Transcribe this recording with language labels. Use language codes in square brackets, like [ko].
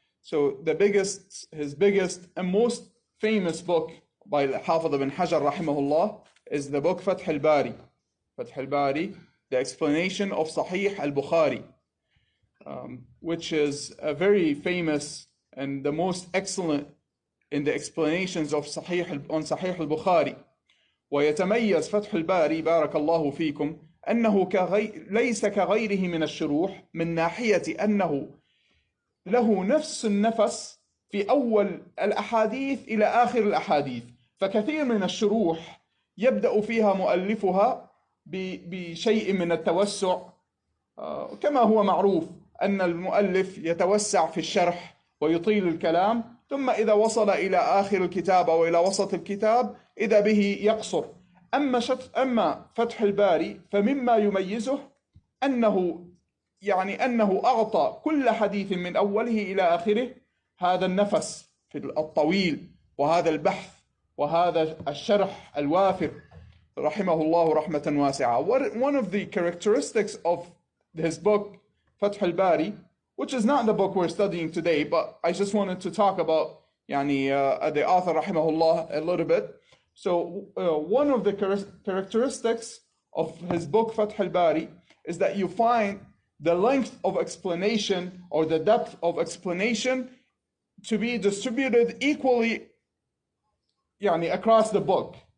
[en] So his biggest and most famous book by الحافظ بن حجر رحمه الله is the book فتح الباري. فتح الباري, the explanation of صحيح البخاري, which is a very famous and the most excellent in the explanations of صحيح البخاري. [ar] ويتميز فتح الباري بارك الله فيكم أنه ليس كغيره من الشروح، من ناحية أنه له نفس النفس في أول الأحاديث إلى آخر الأحاديث. فكثير من الشروح يبدأ فيها مؤلفها بشيء من التوسع، كما هو معروف أن المؤلف يتوسع في الشرح ويطيل الكلام، ثم إذا وصل إلى آخر الكتاب أو إلى وسط الكتاب إذا به يقصر. أما فتح الباري فمما يميزه أنه أعطى كل حديث من أوله إلى آخره هذا النفس في الطويل، وهذا البحث، وهذا الشرح الوافر رحمه الله رحمة واسعة. [en] One of the characteristics of his book فتح الباري, which is not the book we're studying today, but I just wanted to talk about the author رحمه الله a little bit. So one of the characteristics of his book فتح الباري is that you find the length of explanation or the depth of explanation to be distributed equally across the book.